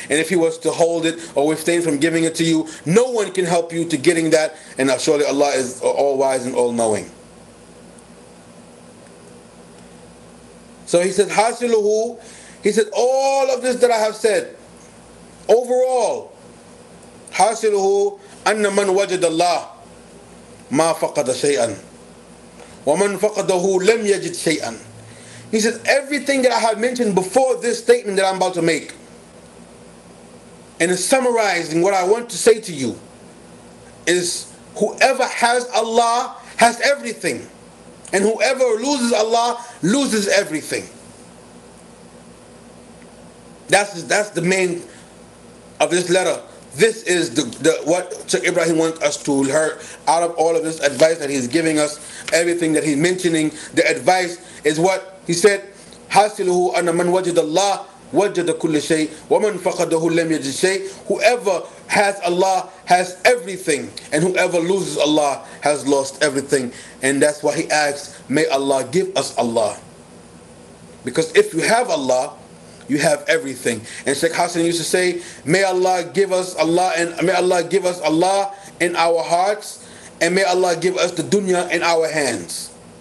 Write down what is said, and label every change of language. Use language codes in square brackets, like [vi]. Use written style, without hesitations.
[en] And if he was to hold it or withstand from giving it to you, no one can help you to getting that. And surely Allah is all wise and all knowing. So he said, حَاسِلُهُ, he said, all of this that I have said, overall, [ar] حَاسِلُهُ أن من وجد الله ما فقد شيئا ومن فقده لم يجد شيئا. [en] He says everything that I have mentioned before this statement that I'm about to make, and it's summarizing what I want to say to you, is whoever has Allah has everything, and whoever loses Allah loses everything. That's the main of this letter. This is the what Sheikh Ibrahim wants us to learn out of all of this advice that he's giving us, everything that he's mentioning. The advice is what he said, [ar] حَاسِلُهُ أَنَّ مَنْ وَجِدَ اللَّهِ وَجَدَ كُلِّ شَيْءٍ وَمَنْ فَقَدَهُ لَمْ يَجِدْ شَيْءٍ. [en] Whoever has Allah has everything, and whoever loses Allah has lost everything. And that's why he asks, may Allah give us Allah. Because if you have Allah, you have everything. And Sheikh Hassan used to say, may Allah give us Allah, and may Allah give us Allah in our hearts, and may Allah give us the dunya in our hands.